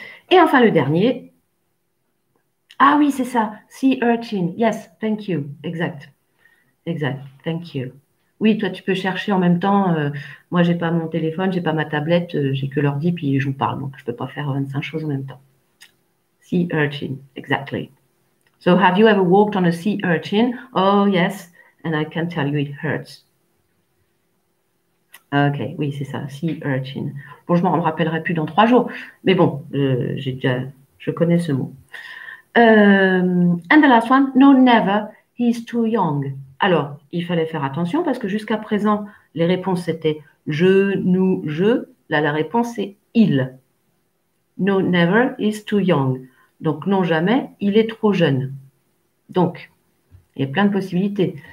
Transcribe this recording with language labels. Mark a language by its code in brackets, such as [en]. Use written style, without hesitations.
[fr] Et enfin, le dernier. Ah oui, c'est ça. [en] Sea urchin. Yes, thank you. [fr] Exact. Exact. [en] Thank you. [fr] Oui, toi, tu peux chercher en même temps. Moi, je n'ai pas mon téléphone, je n'ai pas ma tablette, j'ai que l'ordi, puis je vous parle. Donc, je ne peux pas faire 25 choses en même temps. [en] Sea urchin, exactly. So, have you ever walked on a sea urchin? Oh, yes, and I can tell you it hurts. [fr] OK, oui, c'est ça, sea urchin. Bon, je ne m'en rappellerai plus dans 3 jours, mais bon, je connais ce mot. [en] And the last one, no, never, he's too young. [fr] Alors, il fallait faire attention parce que jusqu'à présent, les réponses étaient je, nous, je. Là, la réponse est il. [en] No, never, he's too young. [fr] Donc, non, jamais, il est trop jeune. Donc, il y a plein de possibilités.